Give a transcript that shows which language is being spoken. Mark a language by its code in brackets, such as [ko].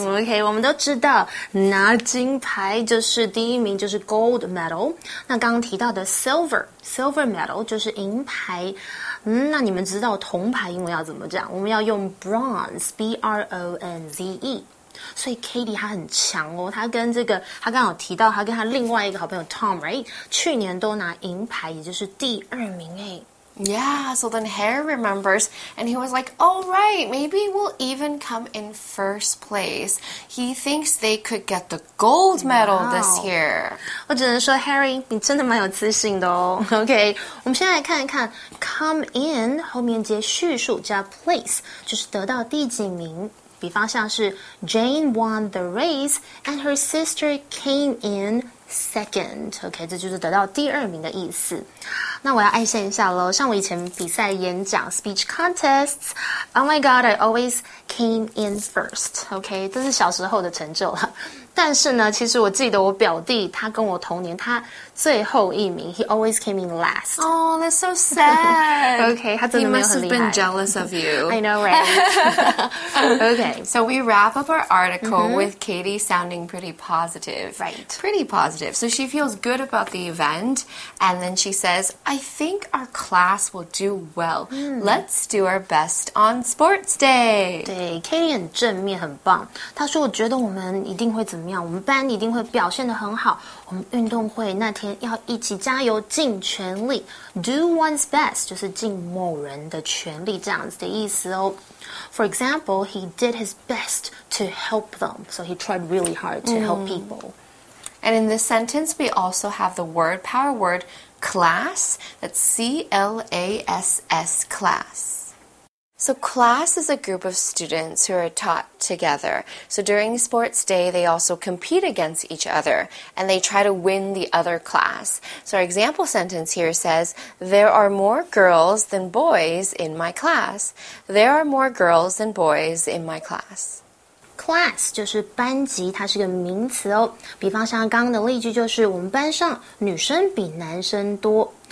[zh] OK, 我们都知道拿金牌就是第一名就是 gold medal, 那刚刚提到的 silver medal 就是银牌、那你们知道铜牌英文要怎么讲我们要用 bronze, B-R-O-N-Z-E, 所以 Katie 她很强哦她跟这个她刚好提到她跟她另外一个好朋友 Tom, right? 去年都拿银牌也就是第二名诶 [en] Yeah, so then Harry remembers, and he was like, oh, right, maybe we'll even come in first place. He thinks they could get the gold medal、wow. this year. [zh] 我只能说 Harry, 你真的蛮有自信的哦。OK, 我们先来看一看 come in, 后面接叙述加 place, 就是得到第几名。比方像是 [en] Jane won the race, and her sister came in second. [zh] OK, 这就是得到第二名的意思。那我要爱现一下咯像我以前比赛演讲 [en] speech contests, oh my god, I always came in first, [zh] okay, 这是小时候的成就了。但是呢，其实我记得我表弟他跟我同年，他最后一名 ， [en] He always came in last. Oh, that's so sad. [zh] Okay, 他真的没有很厉害。 [en] He must have been jealous of you. I know, right? Okay. So we wrap up our article、mm-hmm. with Katie sounding pretty positive. Right. Pretty positive. So she feels good about the event. And then she says, I think our class will do well.、Mm. Let's do our best on sports day. [zh] 对 ,Katie 很正面很棒。她说我觉得我们一定会怎么样，我们班一定会表现得很好。我们运动会那天要一起加油尽全力。 Do one's best, 就是尽某人的全力这样子的意思哦。 [en] For example, he did his best to help them. So he tried really hard to、mm. help people. And in this sentence, we also have the word, power word, class. That's C-L-A-S-S, class. So class is a group of students who are taught together. So during sports day, they also compete against each other. And they try to win the other class. So our example sentence here says, There are more girls than boys in my class. There are more girls than boys in my class. [zh] Class 就是班级，它是个名词哦。比方像刚刚的例句就是我们班上女生比男生多。